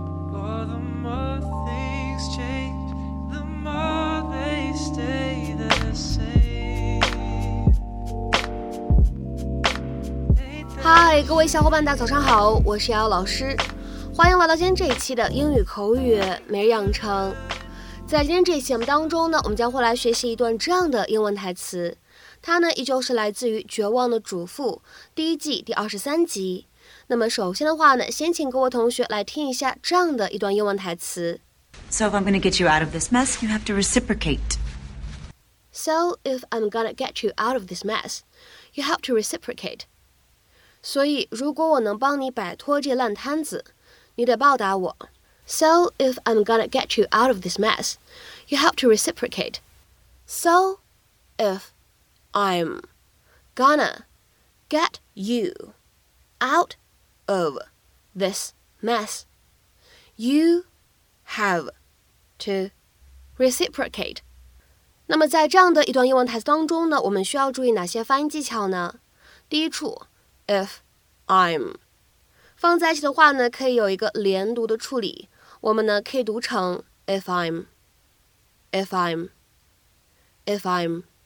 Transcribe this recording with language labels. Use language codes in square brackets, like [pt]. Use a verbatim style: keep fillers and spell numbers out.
[en] For the more things change, the more they stay the same. [zh] 嗨，各位小伙伴，大家早上好，我是瑶瑶老师，欢迎来到今天这一期的英语口语每日养成。在今天这一期节目当中呢，我们将会来学习一段这样的英文台词，它呢依旧是来自于《绝望的主妇》第一季第二十三集。那么首先的话呢，先请各位同学来听一下这样的一段英文台词。 [en] So if I'm going to get you out of this mess, you have to reciprocate. So if I'm going to get you out of this mess, you have to reciprocate. [zh] 所以如果我能帮你摆脱这烂摊子，你得报答我。 [en] So if I'm going to get you out of this mess, you have to reciprocate. So if I'm gonna get you out of this mess, you have to reciprocate. [zh] 那么在这样的一段英文台词当中呢，我们需要注意哪些发音技巧呢？第一处 if I'm 放在一起的话呢，可以有一个连读的处理，我们呢可以读成 if I'm, if I'm, if I'm。